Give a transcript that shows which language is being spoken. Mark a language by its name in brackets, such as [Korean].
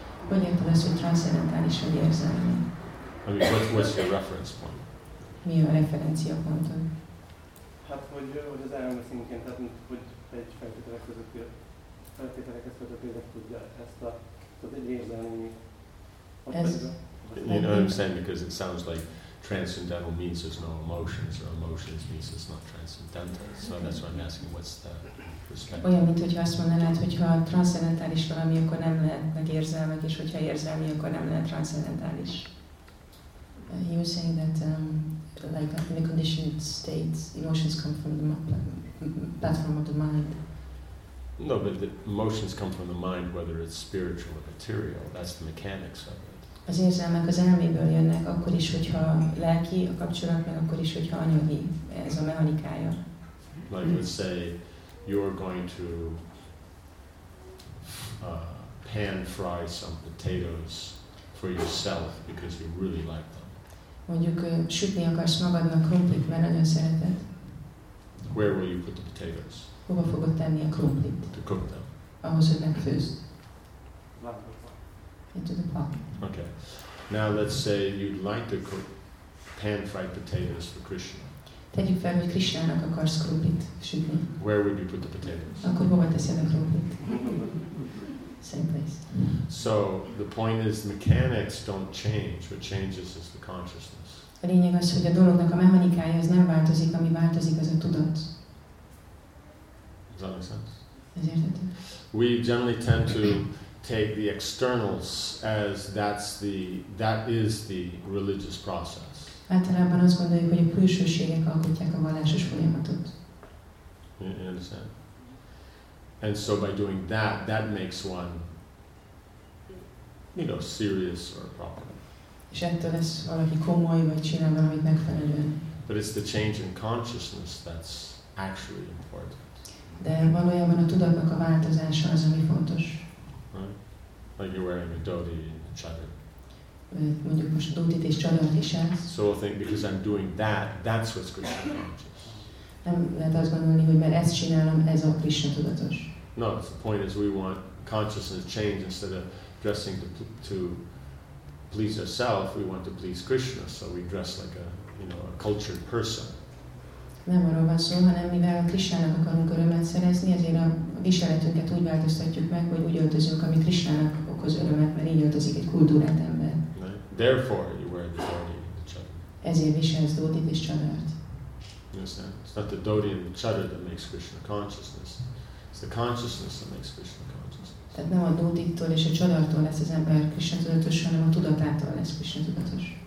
[Hungarian] Hogy értelesz, hogy transzcendentális vagy érzelmi? [English] I mean, what's your reference point? [Hungarian] Mi a referencia ponton? Hát, hogy az elme szintjén, tehát hogy egy feltételekhez között érdek tudja ezt a, tehát egy érzelmi... [English] You know what I'm saying, because it sounds like transcendental means there's no emotions, or emotions means it's not transcendental. So that's why I'm asking, what's the perspective? [Hungarian] Olyan, mint hogyha azt mondanád, hogyha transzcendentális valami, akkor nem lehetnek érzelmek, és hogyha érzelmi, akkor nem lehet transzcendentális. [English] He was saying that, like in the conditioned states, emotions come from the platform of the mind. No, but the emotions come from the mind, whether it's spiritual or material. That's the mechanics of it. [Hungarian] Az érzelmek az elméből jönnek, akkor is, hogyha lelki a kapcsolat, meg akkor is, hogyha anyagi. Ez a mechanikája. [English] Like, let's say, you're going to pan-fry some potatoes for yourself because you really like them. [Hungarian] Mondjuk sütni akarsz magadnak krumplit, mert nagyon szereted. [English] Where will you put the potatoes? [Hungarian] Hova fogod tenni a krumplit? [English] To cook them. [Hungarian] Ahhoz, hogy megfőzd. [English] Into the pot. Okay. Now let's say you'd like to cook pan-fried potatoes for Krishna. [Hungarian] Tegyük fel, hogy Krishnának akarsz krumplit sütni. [English] Where would you put the potatoes? [Hungarian] Akkor hova teszed a krumplit? [English] Same place. So the point is, mechanics don't change. What changes is the consciousness. [Hungarian] A lényeg az, hogy a dolognak a mechanikája az nem változik, ami változik, az a tudat. [English] Does that make sense? Yeah. We generally tend to take the externals as that is the religious process. [Hungarian] Általában azt gondoljuk, hogy a külsőségek alkotják a vallásos folyamatot. [English] You understand? And so by doing that, that makes one, you know, serious or proper. [Hungarian] És ettől lesz valaki komoly, vagy csinál valamit megfelelően. [English] But it's the change in consciousness that's actually important. [Hungarian] De valójában a tudatnak a változása az, ami fontos. [English] Like you're wearing a dhoti and a chador. [Hungarian] Mondjuk most dhotit és chadort is állsz. [English] So I think because I'm doing that, that's what's Krishna conscious. [Hungarian] Nem lehet azt gondolni, hogy mert ezt csinálom, ez a Krishna tudatos. [English] No, the point is we want consciousness change instead of dressing to please ourselves, we want to please Krishna, so we dress like a, you know, a cultured person. [Hungarian] Nem arról van szó, hanem mivel a Krishnának akarunk örömet szerezni, ezért a viseletünket úgy változtatjuk meg, hogy úgy öltözünk, ami Krishnának okoz örömet, mert így öltözik egy kultúrát ember. [English] Right. Therefore, you wear the dhoti and the chador. [Hungarian] Ezért viselsz dhotit és chadort. [English] You understand? It's not the dhoti and the chador that makes Krishna consciousness. It's the consciousness that makes Krishna consciousness. [Hungarian] Tehát nem a dhotittól és a chadortól lesz az ember Krishna tudatos, hanem a tudatától lesz Krishna tudatos.